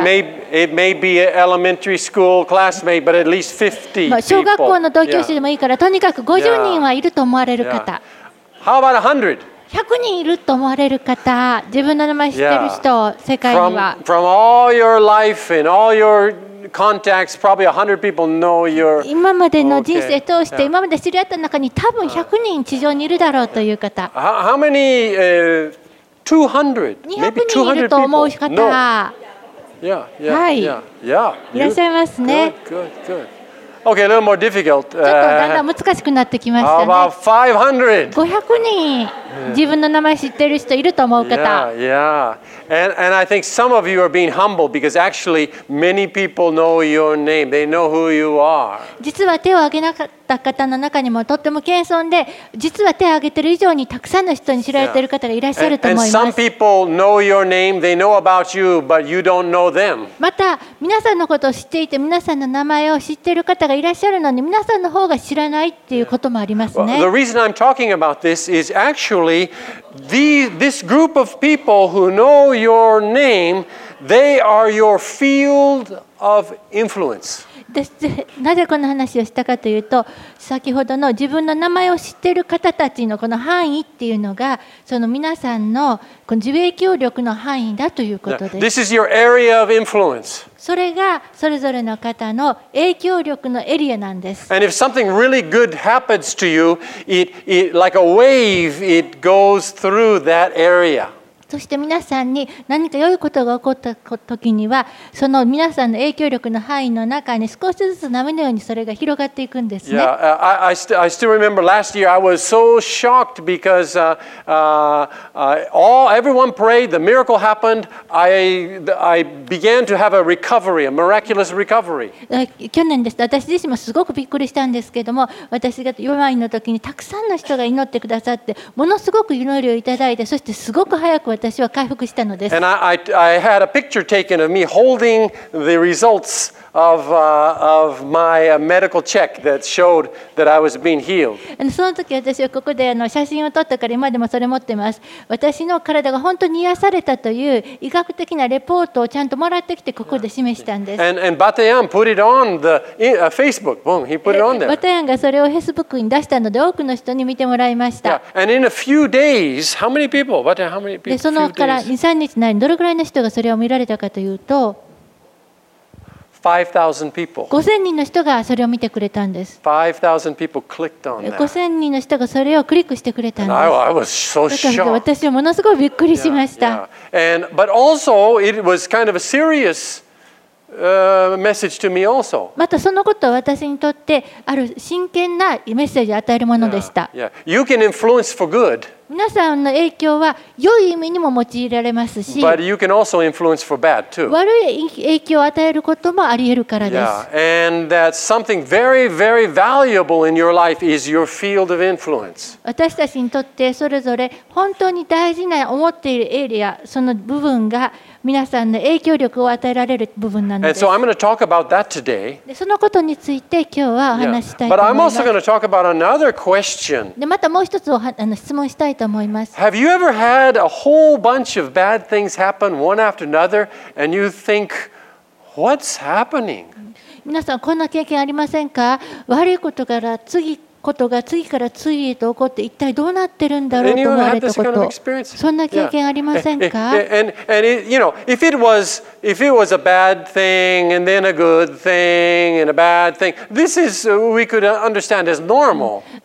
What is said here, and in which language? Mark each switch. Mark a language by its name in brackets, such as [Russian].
[English] It may be an elementary school classmate, but at least 50 people. [Japanese] 小学校の同級生でもいいから、とにかく50人はいると思われる方。 [English] How about 100? [Japanese] 100人いると思われる方、自分の名前知ってる人、世界には。 [English] From all your life and all your contacts, probably 100 people know your. [Japanese] 今までの人生通して、今まで知り合った中に多分100人地上にいるだろうという方。 [English] How many? 200. Maybe 200 people. [Japanese] 200人いると思う方。 [English] Yeah. はい。 Yeah. [Japanese] いらっしゃいますね。 [English] Good. Okay, a little more difficult. [Japanese] ちょっとだんだん難しくなってきましたね。 [English] About 500. [Japanese] 500人自分の名前知ってる人いると思う方。 [English] Yeah. And I think some of you are being humble because actually many people know your name. They know who you are. [Japanese] 実は手を挙げなかった方の中にもとっても謙遜で、実は手を挙げている以上にたくさんの人に知られている方がいらっしゃると思います。 [English] And some people know your name. They know about you, but you don't know them. [Japanese] また皆さんのことを知っていて、皆さんの名前を知っている方がいらっしゃるのに、皆さんの方が知らないっていうこともありますね。 [English] Well, the reason I'm talking about this is actually this group of people who knowYour name, they are your field of influence. [Japanese] なぜこの話をしたかというと、先ほどの自分の名前を知っている方たちのこの範囲っていうのが、その皆さんのこの受影響力の範囲だということです。 [English] This is your area of influence. [Japanese] それがそれぞれの方の影響力のエリアなんです。 [English] And if something really good happens to you, it like a wave, it goes through that area. [Japanese] そして皆さんに何か良いことが起こった時にはその皆さんの影響力の範囲の中に少しずつ波のようにそれが広がっていくんですね。 [English] Yeah, I still remember last year I was so shocked because everyone prayed, the miracle happened, I began to have a recovery, a miraculous recovery. [Japanese] 去年です。私自身もすごくびっくりしたんですけれども、私が病の時にたくさんの人が祈ってくださって、ものすごく祈りをいただいて、そしてすごく早く私は回復したのです。 [English] And I had a picture taken of me holding the results of my medical check that showed that I was being healed. [Japanese] And その時私はここで写真を撮ったから今でもそれ持ってます。私の体が本当に癒されたという医学的なレポートをちゃんともらってきてここで示したんです。 [English] And Batayan put it on the Facebook. Boom, he put it on there. [Japanese] BatayanがそれをFacebookに出したので多くの人に見てもらいました。 [English] Yeah. And in a few days, how many people? Batayan, how many people? [Japanese] でそのから2、3日の間にどれくらいの人がそれを見られたかというと、5,000 人の人がそれを見てくれたんです。 5,000 人の人がそれをクリックしてくれたんです。私はものすごくびっくりしました。 [English] But also, it was kind of a seriousmessage to me also. [Japanese] またそのことは私にとってある真剣なメッセージを与えるものでした。 [English] You can influence for good. [Japanese] 皆さんの影響は良い意味にも用いられますし、 [English] But you can also influence for bad too. [Japanese] 悪い影響を与えることもあり得るからです。 [English] Yeah. And that something very, very valuable in your life is your field of influence. [Japanese] 私たちにとってそれぞれ本当に大事な思っているエリア、その部分が皆さんの影響力を与えられる部分なのです。 [English] And so I'm going to talk about that today. [Japanese] でそのことについて今日はお話したいと思います。 [English] But I'm also going to talk about another question. [Japanese] でまたもう一つ質問したいと思います。 [English] Have you ever had a whole bunch of bad things happen one after another and you think, what's happening? [Japanese] 皆さんこんな経験ありませんか？悪いことから次ことが次から次へと起こって一体どうなってるんだろうと思われたこと、そんな経験ありませんか？ [English] And you know, if it was a bad thing and then a good thing and a bad thing, this is we could understand as normal.